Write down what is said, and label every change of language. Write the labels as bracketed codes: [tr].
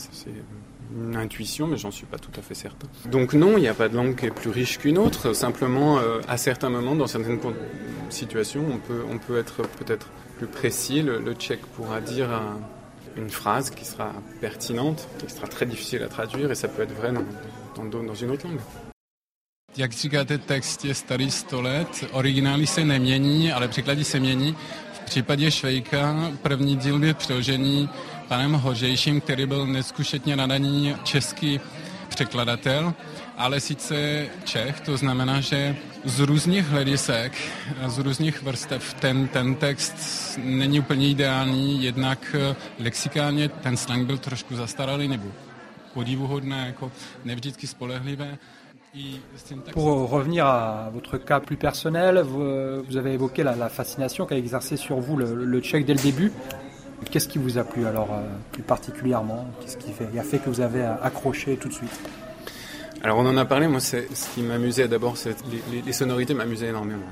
[fr] C'est une intuition, mais j'en suis pas tout à fait certain. Donc non, il n'y a pas de langue qui est plus riche qu'une autre. Simplement, à certains moments, dans certaines situations, on peut être peut-être plus précis. Le tchèque pourra dire une phrase qui sera pertinente, qui sera très difficile à traduire, et ça peut être vrai dans une autre langue. [cs] Jak říkáte, text je starý 100 let, originály se nemění, ale překlady se mění. V případě Švejka první díl byl přeložený panem Hořejším, který byl neskušetně nadaný český překladatel, ale sice Čech, to znamená, že z různých hledisek, z různých vrstev ten text není úplně ideální, jednak lexikálně ten slang byl trošku zastaralý nebo podivuhodné, jako nevždycky spolehlivé. [fr] Pour revenir à votre cas plus personnel, vous avez évoqué la fascination qu'a exercé sur vous le tchèque dès le début. Qu'est-ce qui vous a plu alors plus particulièrement ? Qu'est-ce qui a fait que vous avez accroché tout de suite ? Alors on en a parlé, moi c'est ce qui m'amusait d'abord, c'est les sonorités m'amusaient énormément.